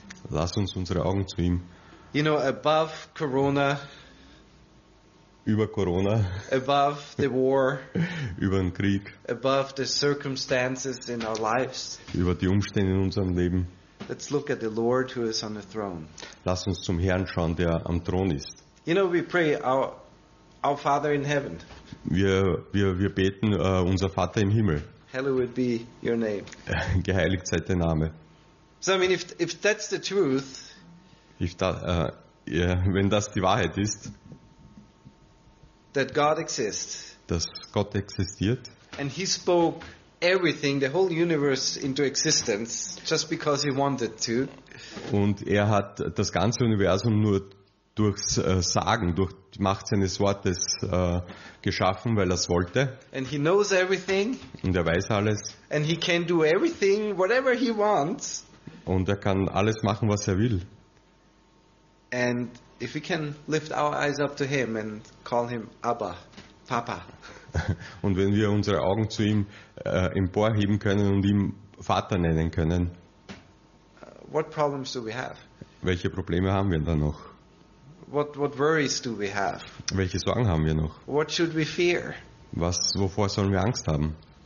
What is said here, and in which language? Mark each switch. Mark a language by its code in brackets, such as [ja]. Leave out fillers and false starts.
[de] Lass uns unsere Augen zu ihm. [en] You know, above Corona. [de] Über Corona, [en] above the war, [de] über den Krieg, [en] above the circumstances in our lives, [de] über die Umstände in unserem Leben. [en] Let's look at the Lord who is on the throne. [de] Lass uns zum Herrn schauen, der am Thron ist. [en] You know, we pray our Father in heaven. [de] Wir beten unser Vater im Himmel. [en] Hallowed be your name. [de] Geheiligt sei dein Name. [en] So, I mean, if that's the truth, [de] wenn das die Wahrheit ist. [en] That God exists. [de] Dass Gott existiert. [en] And he spoke everything, the whole universe into existence, just because he wanted to. [de] Und er hat das ganze Universum nur durchs Sagen, durch die Macht seines Wortes geschaffen, weil er es wollte. [en] And he knows everything. [de] Und er weiß alles. [en] And he can do everything, whatever he wants. [de] Und er kann alles machen, was er will. [en] And if we can lift our eyes up to him and call him Abba, Papa. [de] Und wenn wir unsere Augen zu ihm emporheben können und ihm Vater nennen können. [en] What problems do we have? [de] Welche Probleme haben wir dann noch? [en] What worries do we have? [de] Welche Sorgen haben wir noch? [en] What should we fear? [de] Wovor sollen wir Angst haben?